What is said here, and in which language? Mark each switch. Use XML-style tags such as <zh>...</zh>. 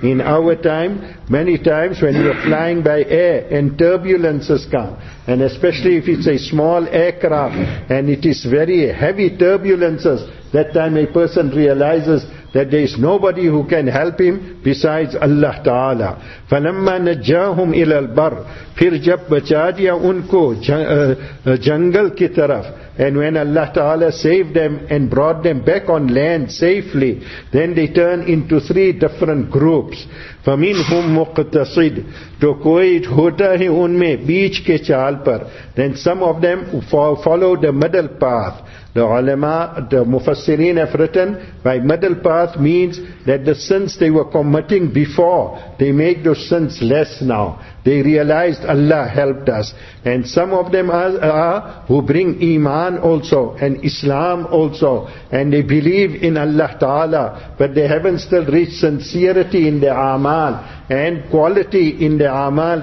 <en>In our time, many times when you are flying by air, and turbulences come, and especially if it's a small aircraft, and it is very heavy turbulences, that time a person realizes that there is nobody who can help him besides Allah Ta'ala.</en> <ar>فَلَمَّا نَجَّاهُمْ إِلَى الْبَرْ</ar> <ur>پھر جب بچا دیا ان کو جنگل کی طرف.</ur> <en>And when Allah Ta'ala saved them and brought them back on land safely, then they turn into three different groups.</en> <ar>فَمِنْهُمْ مُقْتَصِدْ</ar> <ur>تو کوئی ہوتا ہے ان میں بیچ کے چال پر.</ur> <en>Then some of them follow the middle path. The ulama, the mufassirin have written, by middle path means that the sins they were committing before, they make those sins less now. They realized Allah helped us. And some of them are who bring Iman also and Islam also, and they believe in Allah Ta'ala, but they haven't still reached sincerity in their Amal and quality in their Amal.</en>